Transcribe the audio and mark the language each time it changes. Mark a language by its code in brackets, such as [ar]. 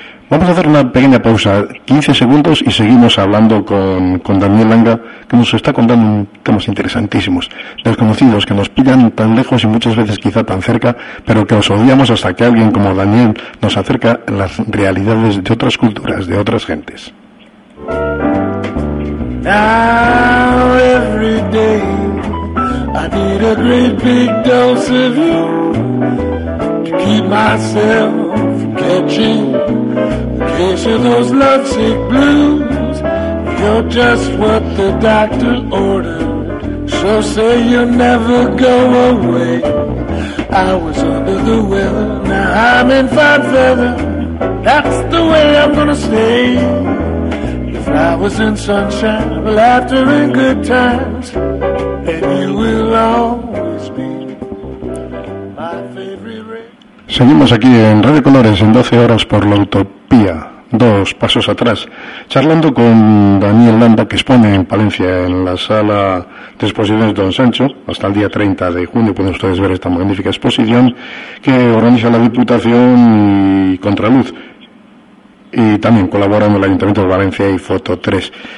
[es] Vamos a hacer una pequeña pausa, 15 segundos, y seguimos hablando con Daniel Langa, que nos está contando temas interesantísimos, desconocidos, que nos pillan tan lejos y muchas veces quizá tan cerca, pero que os odiamos hasta que alguien como Daniel nos acerca a las realidades de otras culturas, de otras gentes. [en] Now, every day, I need a great big dose of you to keep myself. itching, cases of lovesick blues. You're just what the doctor ordered, so say you'll never go away. I was under the weather, now I'm in fine feather. That's the way I'm gonna stay. If I was in sunshine, laughter in good times, then you will always be my favorite rain. [es] Seguimos aquí en Radio Colores en 12 horas por la utopía. Dos pasos atrás, charlando con Daniel Landa, que expone en Palencia en la sala de exposiciones Don Sancho. Hasta el día 30 de junio pueden ustedes ver esta magnífica exposición que organiza la Diputación y Contraluz, y también colaboran el Ayuntamiento de Valencia y Foto 3.